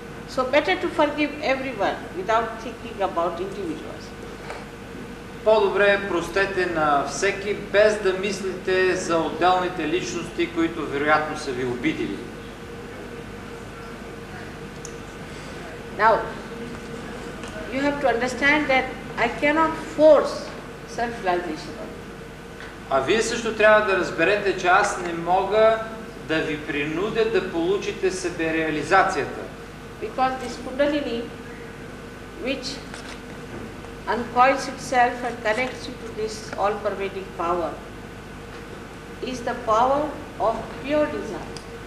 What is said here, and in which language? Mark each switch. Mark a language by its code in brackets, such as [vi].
[en] So better to forgive everyone without thinking about individuals. [bg] По-добре простете на всеки, без да мислите за отделните личности, които вероятно са ви обидили. [en] Now, you have to understand that I cannot force self-realization. [bg] А вие също трябва да разберете, че аз не мога да ви принудя да получите себе реализацията. [en] Because this kundalini, which uncoils itself and connects you to this all-pervading power, is the power of pure desire.